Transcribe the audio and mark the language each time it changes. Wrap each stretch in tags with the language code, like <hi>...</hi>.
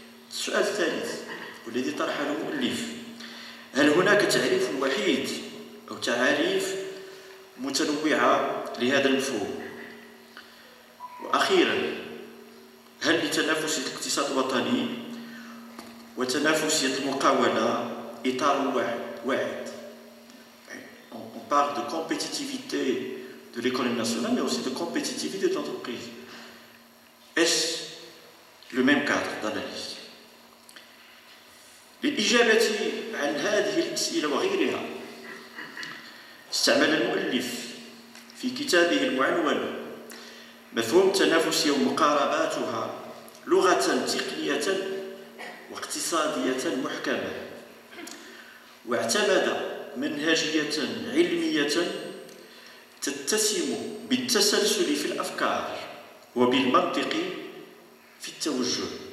<ar>السؤال الثالث والذي طرحه المؤلف، هل هناك تعريف وحيد أو تعاريف متنوعة لهذا المفهوم؟ وأخيرا، هل لتنافسية الاقتصاد الوطني وتنافسية المقاولة إطار واحد؟</ar> <fr>On parle de compétitivité de l'économie nationale, mais aussi de compétitivité de l'entreprise. Est-ce le même cadre d'analyse ?</fr> <ar>للإجابة عن هذه الأسئلة وغيرها، استعمل المؤلف في كتابه المعنون مفهوم التنافسية ومقارباتها لغة تقنية واقتصادية محكمة، واعتمد منهجية علمية تتسم بالتسلسل في الأفكار وبالمنطق في التوجه.</ar>